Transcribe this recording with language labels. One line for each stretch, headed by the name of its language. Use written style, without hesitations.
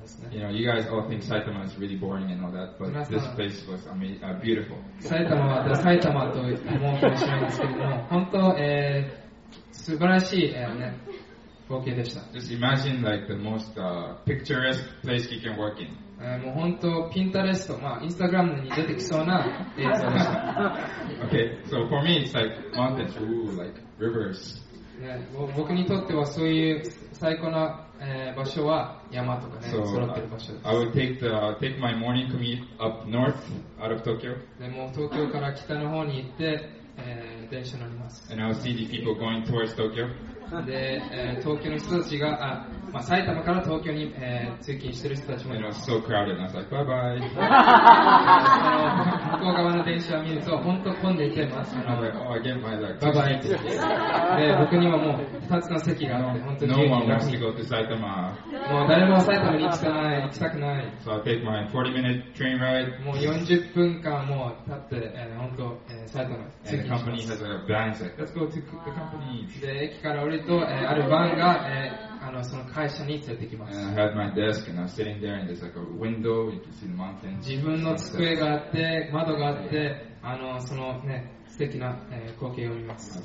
English: You know, you guys all think Saitama is really boring and all that, but this place was beautiful.
Japanese: Saitama は The Saitama と思うかもしれないですけども、本当、素晴らしい、ね、光景でした。
English: Just imagine like the most picturesque place you can work in.
Japanese: もう本当ピンタレスト、まあインスタグラムに出てきそうな映像でした。
English: Okay, so for me it's like mountains, ooh, like rivers.
Japanese: Yeah, 僕にとってはそういう最高な、場所は山とかね、揃ってる場所です。
English: I would take my morning commute up north out of Tokyo.
Japanese: でも東京から北の方に行って、電車乗ります。
English: And I would see the people going towards Tokyo.
Japanese: で、東京の人たちが、あ、まあ、埼玉から東京に、通勤してる人たちもいます。
English: It was so crowded, and I was like, bye bye.
Japanese: 向こう側の電車を見ると、本当混んでいてます。
English: I'm like, oh, I get my luck. Bye bye.
Japanese: で、僕にはもう2つの席があって、本当に
English: No one wants to go to Saitama.
Japanese: もう誰も埼玉に行きたない、行きたくない。
English: So I take my 40-minute train ride.
Japanese: もう40分間もう経って、本当、埼玉に通勤します。
English: And the company has a van set. Let's go to the company.
Japanese: で、駅から降りてとあるバンが、その会社に連れてきます。
English: I had my desk and I'm sitting there and there's like a window, you can see the mountains.
Japanese: 自分の机があって窓があって、あのそのね素敵な、光景を見ます。